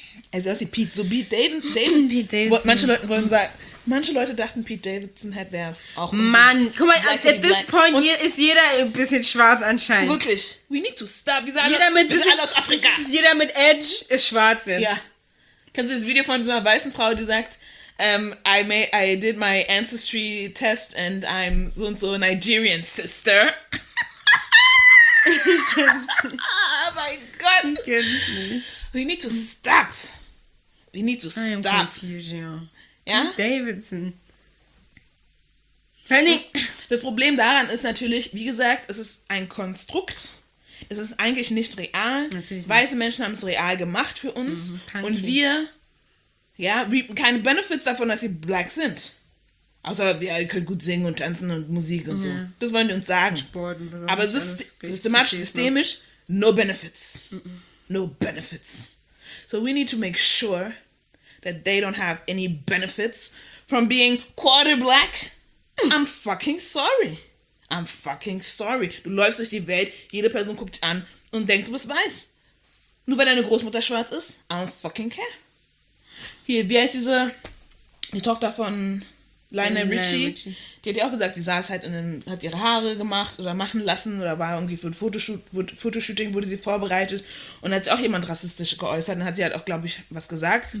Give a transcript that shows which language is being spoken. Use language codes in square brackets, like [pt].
[de] Er sieht aus wie Pete. So Pete Davidson. Manche Leute wollen sagen, manche Leute dachten, Pete Davidson hätte auch. Mann, guck mal, [en] at this point [de] ist jeder ein bisschen schwarz anscheinend. Wirklich. [en] We need to stop. [de] Wir sind alle aus Afrika. Jeder mit Edge ist schwarz jetzt. Ja. Kennst du das Video von so einer weißen Frau, die sagt, [en] I did my ancestry test and I'm [de] so und so [en] Nigerian sister. [de] Ich kenn's nicht. [en] Oh my God. [de] Ich kenn's nicht. [en] We need to stop. We need to stop. I am confusion. [de] Ja? Davidson. Penny. Das Problem daran ist natürlich, wie gesagt, es ist ein Konstrukt. Es ist eigentlich nicht real. Natürlich weiße nicht. Menschen haben es real gemacht für uns. Mhm, und wir ja, reapen keine Benefits davon, dass sie black sind. Außer wir können gut singen und tanzen und Musik und ja. So. Das wollen die uns sagen. Sport und so. Aber systemisch, [en] no benefits. Mhm. No benefits. So we need to make sure that they don't have any benefits from being quarter black. I'm fucking sorry. I'm fucking sorry. [de] Du läufst durch die Welt, jede Person guckt dich an und denkt, du bist weiß. Nur weil deine Großmutter schwarz ist, [en] I don't fucking care. [de] Hier, wie heißt diese, die Tochter von Lionel Richie? Die hat ja auch gesagt, sie saß halt in den, hat ihre Haare gemacht oder machen lassen oder war irgendwie für ein Fotoshooting, wurde sie vorbereitet und hat sich auch jemand rassistisch geäußert und hat sie halt auch, glaube ich, was gesagt.